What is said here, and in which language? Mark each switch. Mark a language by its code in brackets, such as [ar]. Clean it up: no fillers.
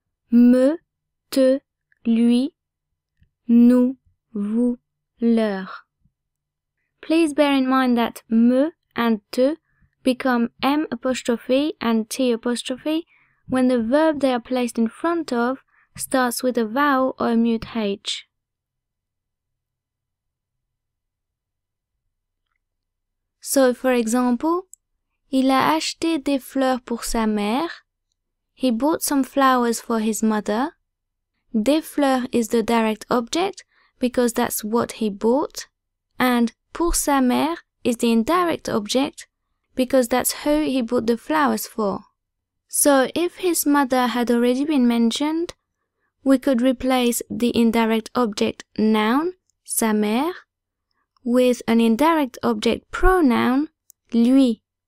[fr] Me, te, lui, nous, vous, leur. [en] Please bear in mind that me and te become m apostrophe and t apostrophe when the verb they are placed in front of starts with a vowel or a mute h. So, for example, [fr] il a acheté des fleurs pour sa mère. [en] He bought some flowers for his mother. Des fleurs is the direct object because that's what he bought. And pour sa mère is the indirect object because that's who he bought the flowers for. So, if his mother had already been mentioned, we could replace the indirect object noun, sa mère, with an indirect object pronoun, lui.